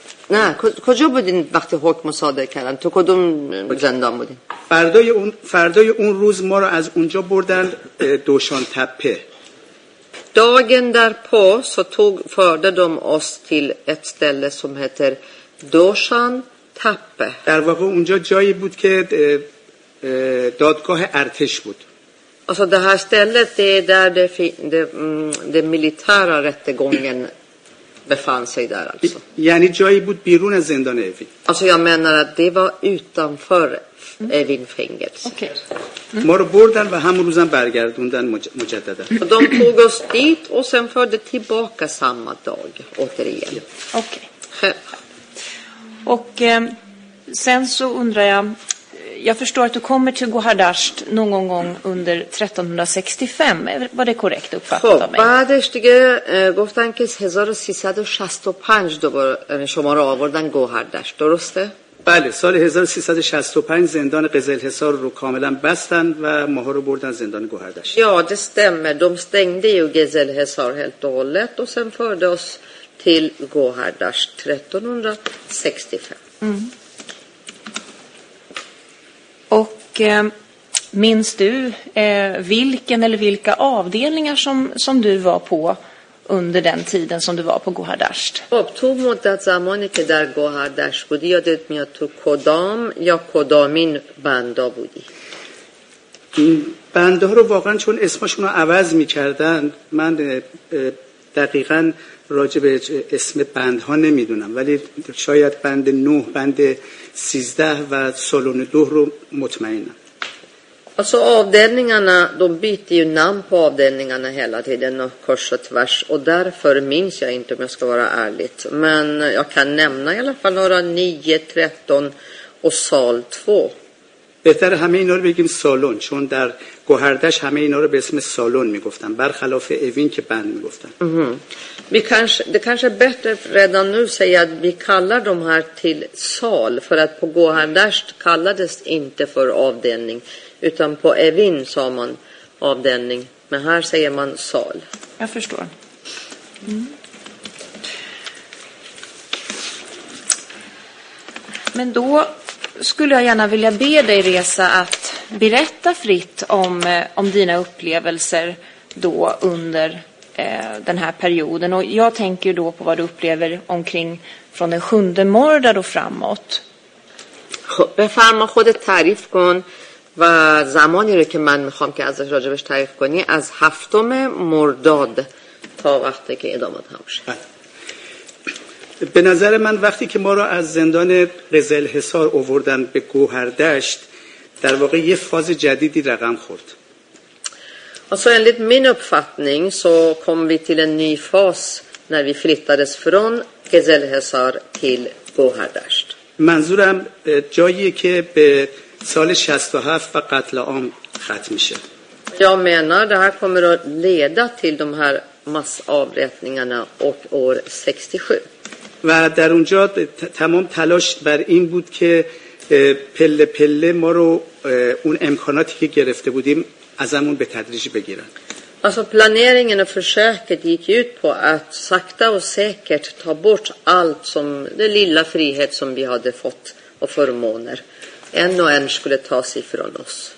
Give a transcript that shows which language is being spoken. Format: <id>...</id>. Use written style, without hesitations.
<fa>نه، کجا بودین وقتی حکم صادر کردن؟ تو کدوم زندان بودین؟ فردای اون روز ما رو از اونجا بردن دوشان تپه.</fa> <sv>Dagen därpå så förde de oss till ett ställe som heter دوشان تپه.</sv> <fa>در واقع اونجا جایی بود که دادگاه ارتش بود.</fa> <sv>Alltså det här stället det är där det militära rättegången befann sig där alltså.</sv> <fa>یعنی جایی بود بیرون از زندان اوین.</fa> <sv>Alltså jag menar att det var utanför اوین fängelse.</sv> <fa>ما رو بردن و همون روزم برگردوندن مجددا.</fa> <sv>De tog oss dit och sen förde tillbaka samma dag återigen. Okej. Och sen så undrar jag, jag förstår att du kommer till Gohardasht någon gång under 1365. Var det korrekt uppfattat av mig?</sv> <fa>بعدش دیگه گفتن که 1365 دوباره شما رو آوردن گوهردشت، درسته؟ بله، سال 1365 زندان قزلحصار رو کاملا بستن و ماها رو بردن زندان گوهردشت.</fa> <sv>Ja, det stämmer. De stängde ju Gezelhessar helt och hållet och sen förde oss till Gohardasht 1365. Och minns du vilken eller vilka avdelningar som du var på under den tiden som du var på Gohardasht?</sv> <fa>تو مدت زمانی که در گوهردشت بودی یادت میاد تو کدام یا کدامین بندا بودی؟ بنده رو واقعا چون اسمشون رو عوض می‌کردن من دقیقاً راجع به اسم بندها نمیدونم ولی شاید بند 9 بند 13 و سالون 2 رو مطمئنم.</fa> <sv>Alltså avdelningarna de byter ju namn på avdelningarna hela tiden och kors och tvärs och därför minns jag inte om jag ska vara ärligt men jag kan nämna i alla fall några 9, 13 och sal 2.</sv> <fa>بهتر همه اینا رو بگیم سالون چون در گوهردشت همه اینا رو به اسم سالون میگفتن برخلاف اوین که بند میگفتن.</fa> <sv>Det kanske är bättre redan nu säga att vi kallar de här till sal för att på Gohardasht kallades inte för avdelning utan på Evin sa man avdelning men här säger man sal. Jag förstår. Mm. Men då skulle jag gärna vilja be dig Reza att berätta fritt om dina upplevelser då under den här perioden och jag tänker då på vad du upplever omkring från den sjunde mördag och framåt.</sv> <fa>Befarma خودت تعریف کن و زمانی رو که من میخوام که ازش راجبش تعریف کنی از هفتم مرداد تا وقتی که ادامه تمشه. به نظر من وقتی که ما رو از زندان قزلحصار آوردن به گوهردشت در واقع یه فاز جدیدی رقم خورد.</fa> <sv>Alltså enligt min uppfattning så kom vi till en ny fas när vi flyttades från Gezelhessar till Gohardasht.</sv> <fa>منظورم جایی که به سال 67 و قتل عام ختم میشه.</fa> <sv>Jag menar det här kommer att leda till de här massavrättningarna och år 67.</sv> <fa>و در اونجا تمام تلاش بر این بود که پله پله ما رو اون امکاناتی که گرفته بودیم ازمون به تدریج بگیرن.</fa> <sv>Alltså planeringen och försöket gick ut på att sakta och säkert ta bort allt som det lilla frihet som vi hade fått och förmåner. En och en skulle tas ifrån oss.</sv>